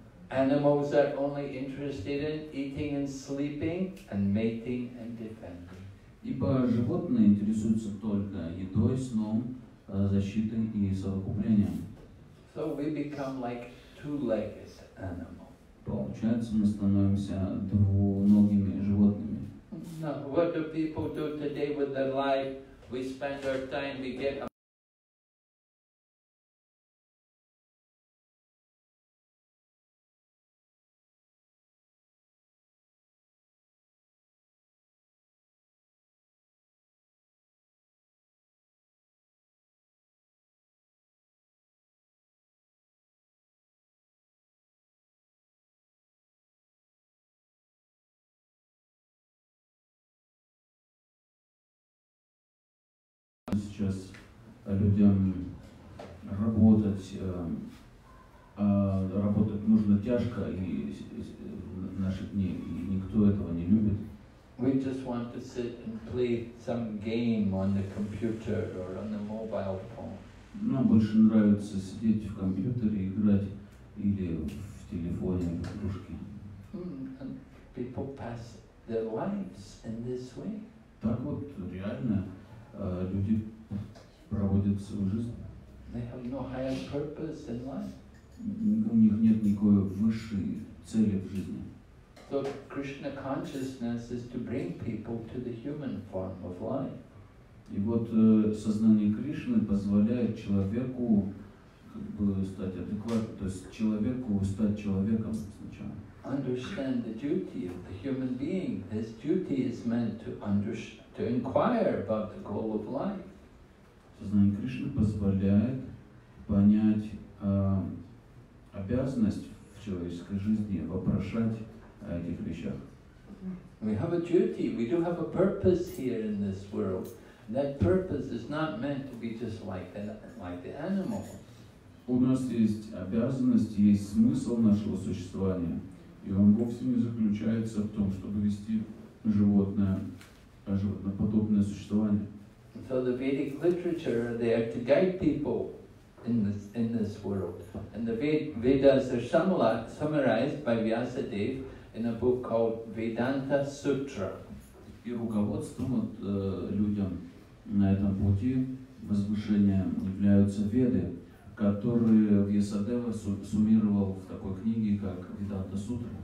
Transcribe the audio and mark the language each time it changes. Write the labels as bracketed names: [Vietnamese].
[English] Animals are only interested in eating and sleeping and mating and defending. [Russian] Ибо животные интересуются только едой, сном, защитой и совокуплением. [English] So we become like two-legged animal. [Russian] Получается, мы становимся двуногими животными. [English] Now, what do people do today with their life? We spend our time, we get a [Russian] сейчас людям работать нужно тяжко и в наши дни, и никто этого не любит. [English] We just want to sit and play some game on the computer or on the mobile phone. [Russian] Нам больше нравится сидеть в компьютере и играть или в телефоне в игрушки. [English] People pass their lives in this way. [Russian] Так вот реально люди проводят свою жизнь. [English] They have no higher purpose in life. [Russian] У них нет никакой высшей цели в жизни. [English] So Krishna consciousness is to bring people to the human form of life. [Russian] И вот сознание Кришны позволяет человеку как бы стать адекватным, то есть человеку стать человеком сначала. [English] Understand the duty of the human being. His duty is meant to inquire about the goal of life. [Russian] Сознание Кришны позволяет понять обязанность в человеческой жизни вопрошать о этих вещах. [English] We have a duty, we do have a purpose here in this world. That purpose is not meant to be just like the animals. [Russian] У нас есть обязанность, есть смысл нашего существования. И он вовсе не заключается в том, чтобы вести животноподобное существование. [English] So the Vedic literature are there to guide people in this world. And the Vedas are summarized by Vyasadeva in a book called Vedanta Sutra. [Russian] И руководством от людям на этом пути возвышения являются веды, которые Вьясадева суммировал в такой книге, как Веданта Сутра.